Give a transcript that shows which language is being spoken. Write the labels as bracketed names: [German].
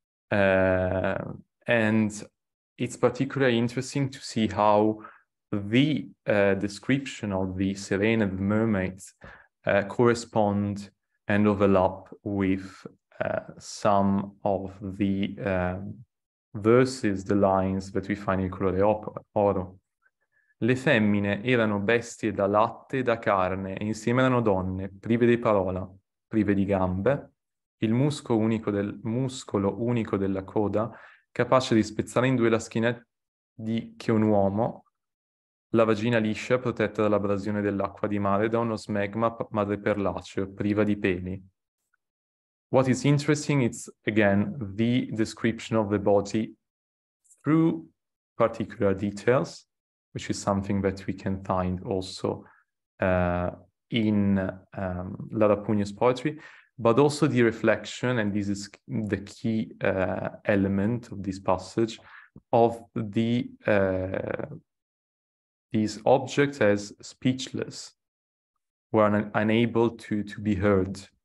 [English] And it's particularly interesting to see how the description of the Sirene and the mermaids correspond and overlap with some of the verses, the lines that we find in Colore Oro. [Italian] Le femmine erano bestie da latte e da carne, e insieme erano donne, prive di parola, prive di gambe, il muscolo unico della coda, capace di spezzare in due la schiena di che un uomo, la vagina liscia protetta dall'abrasione dell'acqua di mare da uno smegma madreperlaceo, priva di peli. [English] What is interesting is, again, the description of the body through particular details, which is something that we can find also in Laura Pugno's poetry, but also the reflection, and this is the key element of this passage, of the these objects as speechless, were unable to be heard.